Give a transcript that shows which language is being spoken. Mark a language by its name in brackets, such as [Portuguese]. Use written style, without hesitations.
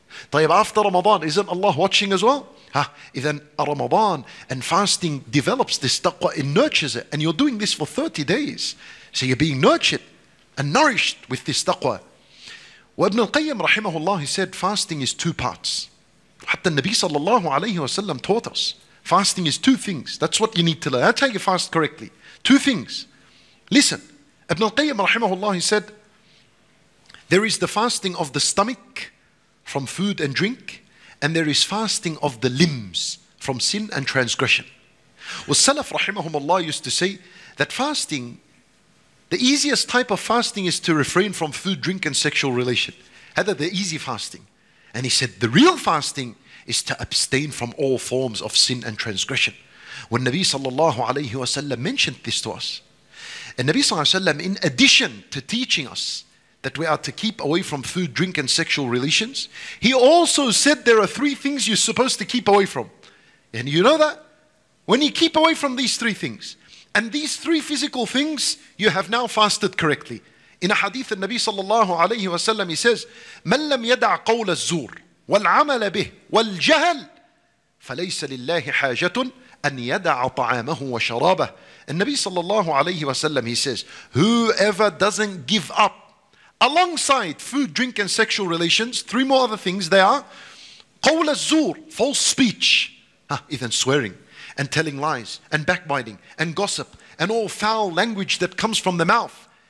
[Arabic] طيب, [English] after Ramadan, isn't Allah watching as well? Then Ramadan and fasting develops this taqwa and nurtures it. And you're doing this for 30 days. So you're being nurtured and nourished with this taqwa. [Arabic] وابن القيم رحمه الله, [English] he said, fasting is two parts. [Arabic] حتى النبي صلى الله عليه وسلم [English] taught us. Fasting is two things. That's what you need to learn. That's how you fast correctly. Two things. Listen, [Arabic] ابن القيم رحمه الله, [English] he said, there is the fasting of the stomach from food and drink, and there is fasting of the limbs from sin and transgression. [Arabic] والسلف رحمهم الله [English] used to say that fasting, the easiest type of fasting is to refrain from food, drink, and sexual relation. [Arabic] هذا [English] the easy fasting. And he said, the real fasting is to abstain from all forms of sin and transgression. When Nabi sallallahu alayhi wa sallam mentioned this to us, and Nabi sallallahu alayhi wa sallam, in addition to teaching us that we are to keep away from food, drink, and sexual relations, he also said there are three things you're supposed to keep away from. And you know that? When you keep away from these three things, and these three physical things, you have now fasted correctly. In a hadith of Nabi sallallahu alayhi wa sallam, he says, [Arabic] مَنْ لَمْ يَدَعْ قَوْلَ الزُّورِ وَالْعَمَلَ بِهِ وَالْجَهَلِ فَلَيْسَ لِلَّهِ حَاجَةٌ أَنْ يَدَعْ طَعَامَهُ وَشَرَابَهُ. [English] And Nabi sallallahu alayhi wa sallam, he says, whoever doesn't give up alongside food, drink, and sexual relations, three more other things they are, [Arabic] قَوْلَ الزُّورِ, [English] false speech, even swearing, and telling lies, and backbiting, and gossip, and all foul language that comes from the mouth.